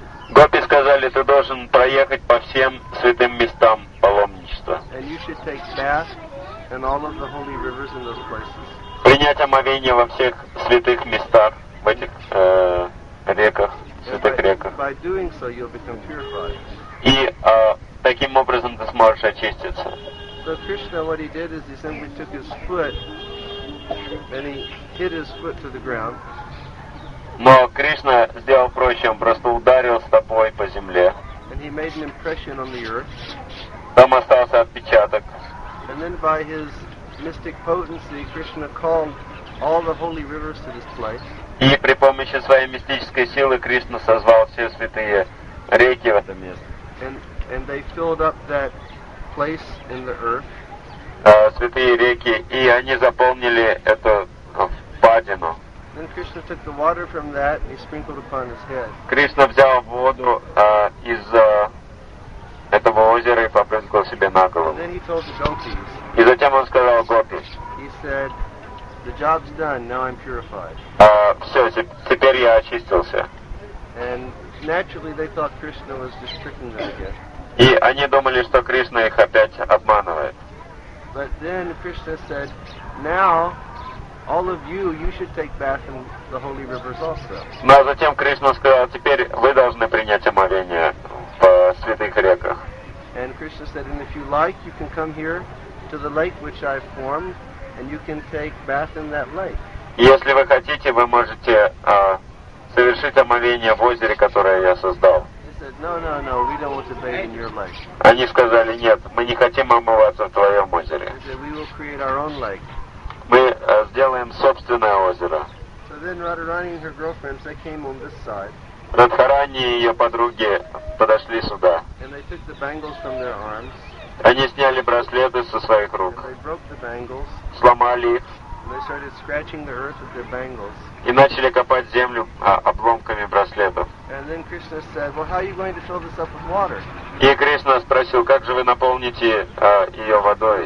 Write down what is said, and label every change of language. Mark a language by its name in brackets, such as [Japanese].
[Russian] Гопи сказали, ты должен проехать по всем святым местам паломничества. [English] And you should take bath in all of the holy rivers in those places. [Russian] Принять омовение во всех святых местах, в этих реках, святых реках. [English] By doing so, you'll become purified. [Russian] И таким образом ты сможешь очиститься. [English] So Krishna, what he did is he simply took his foot and he hit his foot to the ground. [Russian] Но Кришна сделал проще, он просто ударил стопой по земле. [English] And he made an impression on the earth. [Russian] Там остался отпечаток. [English] And then by his mystic potency, Krishna called all the holy rivers to this place. [Russian] И при помощи своей мистической силы Кришна созвал все святые реки в это место. [English] And they filled up that place in the earth. [Russian] Святые реки, и они заполнили эту впадину. [English] Then Krishna took the water from that and he sprinkled upon his head. [Russian] Кришна взял воду из этого озера и попрыскал себе на голову. [English] And then he told the gopis. [Russian] И затем он сказал гопи. [English] He said, the job's done, now I'm purified. [Russian] Все, теперь я очистился. [English] And naturally they thought Krishna was just tricking them again. [Russian] И они думали, что Кришна их опять обманывает. [English] But then Krishna said, now all of you, you should take bath in the holy rivers also. [Russian] Но затем Кришна сказал, теперь вы должны принять омовение в святых реках. [English] And Krishna said, and if you like, you can come here to the lake which I formed, and you can take bath in that lake. [Russian] Если вы хотите, вы можете совершить омовение в озере, которое я создал. [English] He said, no, we don't want to bathe in your lake. [Russian] Они сказали, нет, мы не хотим омываться в твоем озере. [English] He said, we will create our own lake. [Russian] Мы сделаем собственное озеро. [English] So then Radharani and her girlfriends, they came on this side. [Russian] Радхарани и ее подруги подошли сюда. [English] And they took the bangles from their arms. [Russian] Они сняли браслеты со своих рук. [English] And they broke the bangles. [Russian] Сломали их. [English] And they started scratching the earth with their bangles. [Russian] И начали копать землю обломками браслетов. [English] And then Krishna said, well, how are you going to fill this up with water? [Russian] И Кришна спросил, как же вы наполните ее водой?